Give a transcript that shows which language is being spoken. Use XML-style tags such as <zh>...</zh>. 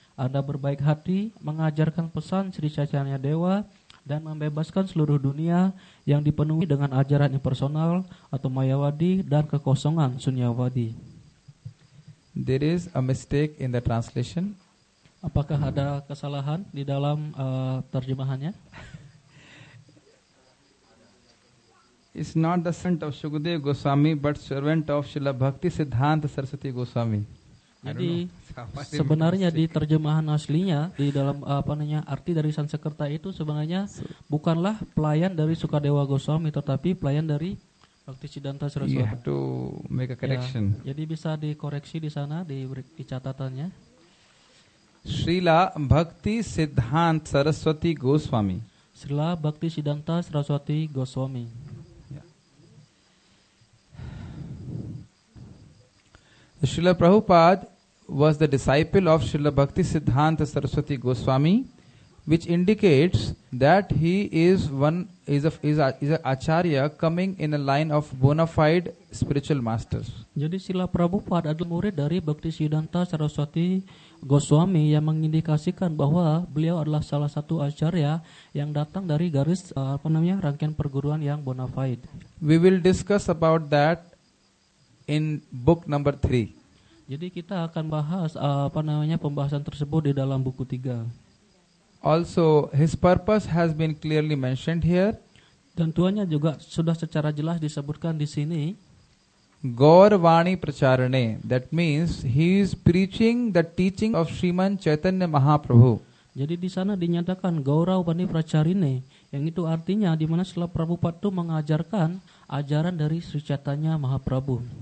<id>Anda berbaik hati, mengajarkan pesan Sri Chaitanya Dewa, dan membebaskan seluruh dunia yang dipenuhi dengan ajaran impersonal atau Mayavadi dan kekosongan Sunyavadi.</id> <en>There is a mistake in the translation.</en> <id>Apakah ada kesalahan di dalam terjemahannya?</id> <en>It's not the servant of Sukadeva Goswami, but servant of Srila Bhakti Siddhanta Saraswati Goswami.</en> <id>Jadi sebenarnya di terjemahan aslinya, di dalam arti dari Sanskerta itu sebenarnya bukanlah pelayan dari Sukadeva Goswami, tetapi pelayan dari Bhakti Siddhanta Saraswati.</id> <en>You have to make a correction.</en> <id>Ya, jadi bisa dikoreksi di sana, di catatannya.</id> <en>Srila Bhakti Siddhanta Saraswati Goswami. Srila Bhakti Siddhanta Saraswati Goswami. Srila Prabhupada was the disciple of Srila Bhakti Siddhanta Saraswati Goswami, which indicates that he is a acharya coming in a line of bona fide spiritual masters.</en> <id>Jadi Srila Prabhupada adalah murid dari Bhakti Siddhanta Saraswati Goswami yang mengindikasikan bahwa beliau adalah salah satu acharya yang datang dari garis rangkaian perguruan yang bona fide.</id> <en>We will discuss about that in book number 3.</en> <id>Jadi kita akan bahas pembahasan tersebut di dalam buku 3.</id> <en>Also his purpose has been clearly mentioned here.</en> <id>Dan tuannya juga sudah secara jelas disebutkan di sini.</id> <en>Gauravani Pracharane, that means he is preaching the teaching of Sriman Chaitanya Mahaprabhu.</en> <id>Jadi di sana dinyatakan Gauravani Pracharine, yang itu artinya di mana Srila Prabhupada itu mengajarkan ajaran dari Sri Chaitanya Mahaprabhu.</id>